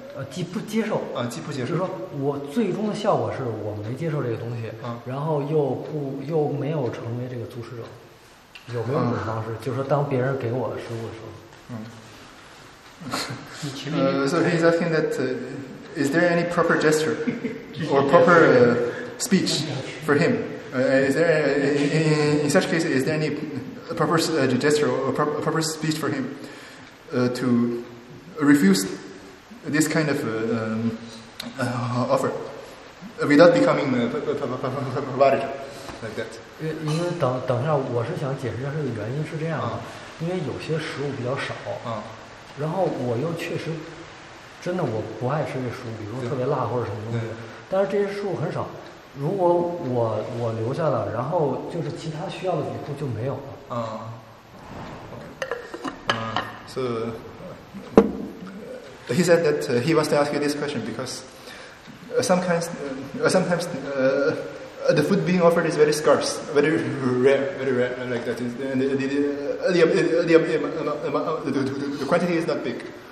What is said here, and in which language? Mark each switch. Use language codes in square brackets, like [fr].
[zh] 既不接受，就是说我最终的效果是我没接受这个东西，然后又没有成为这个阻持者，有没有这种方式？就是说当别人给我食物的时候， [en] So he's asking that is there any proper gesture or proper speech for him? Is there in such case is there any proper gesture or proper speech for him to refuse this kind of offer without becoming provided like that. [zh] 因为等一下，我是想解释一下这个原因是这样的，因为有些食物比较少，然后我又确实真的我不爱吃这食物，比如说特别辣或者什么东西，但是这些食物很少，如果我留下了，然后就是其他需要的比库就没有了。 [en] So. He said that he wants to ask you this question because sometimes the food being offered is very scarce, very rare, like that. The quantity is not big.